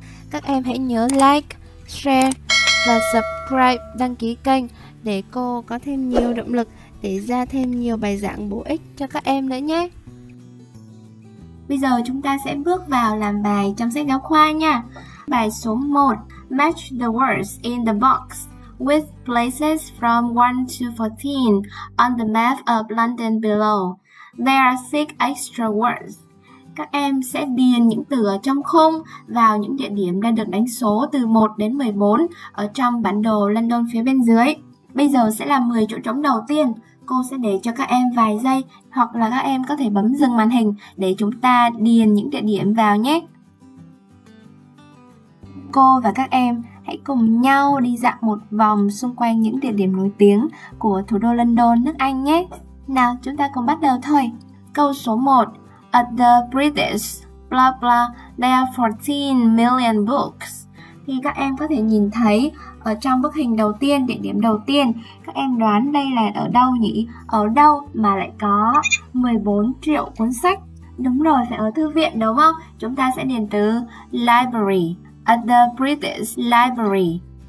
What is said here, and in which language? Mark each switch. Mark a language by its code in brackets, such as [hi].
[vi] Các em hãy nhớ like, share và subscribe đăng ký kênh để cô có thêm nhiều động lực để ra thêm nhiều bài giảng bổ ích cho các em nữa nhé. Bây giờ chúng ta sẽ bước vào làm bài trong sách giáo khoa nha. Bài số 1, [en] match the words in the box with places from 1 to 14 on the map of London below. There are 6 extra words. [vi] Các em sẽ điền những từ ở trong khung vào những địa điểm đang được đánh số từ 1 đến 14 ở trong bản đồ London phía bên dưới. Bây giờ sẽ là 10 chỗ trống đầu tiên. Cô sẽ để cho các em vài giây hoặc là các em có thể bấm dừng màn hình để chúng ta điền những địa điểm vào nhé. Cô và các em hãy cùng nhau đi dạo một vòng xung quanh những địa điểm nổi tiếng của thủ đô London, nước Anh nhé. Nào, chúng ta cùng bắt đầu thôi. Câu số 1. [en] At the British, blah blah, there are 14 million books. [vi] Thì các em có thể nhìn thấy ở trong bức hình đầu tiên, địa điểm đầu tiên, các em đoán đây là ở đâu nhỉ? Ở đâu mà lại có 14 triệu cuốn sách? Đúng rồi, phải ở thư viện đúng không? Chúng ta sẽ điền từ library, [en] at the British Library.